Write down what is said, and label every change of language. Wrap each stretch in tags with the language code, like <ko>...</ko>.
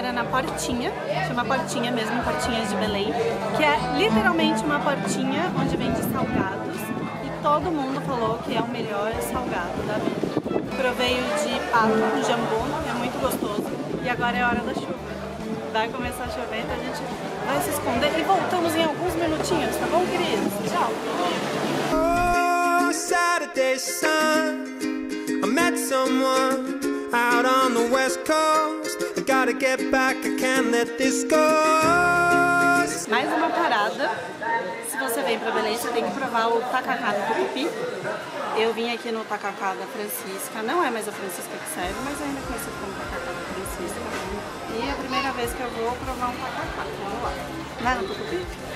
<pt>Portinha, chama portinha mesmo, portinha de Belém, que é literalmente uma portinha onde vende salgados e todo mundo falou que é o melhor salgado da vida. Provei o de pato com jambu, é muito gostoso, e agora é hora da chuva. Vai começar a chover, então a gente vai se esconder e voltamos em alguns minutinhos, tá bom, queridos? Tchau!</pt> <en>Oh, Saturday sun, I met someone out on the west coast. Gotta get back, I can't let this go.</en> <pt>Mais uma parada. Se você vem pra Belém, você tem que provar o tacacá do Tucupi. Eu vim aqui no tacacá da Francisca. Não é mais a Francisca que serve, mas ainda conheço como tacacá da Francisca. E é a primeira vez que eu vou provar um tacacá. Vamos lá. Vai no Tucupi.</pt>